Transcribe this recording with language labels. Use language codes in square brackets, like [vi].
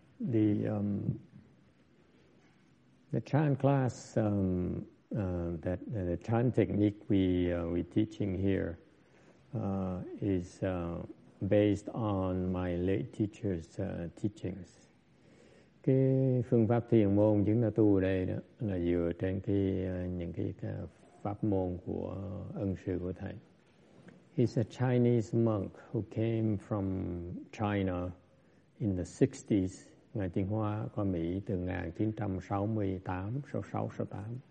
[en] The Chan class the Chan technique we teaching here is based on my late teacher's teachings. [vi] Cái phương pháp thiền môn chúng ta tu ở đây đó là dựa trên cái những cái pháp môn của ân sư của thầy. [en] He's a Chinese monk who came from China in the 60s. [vi] Ngài Tiên Hoa qua Mỹ từ 1968.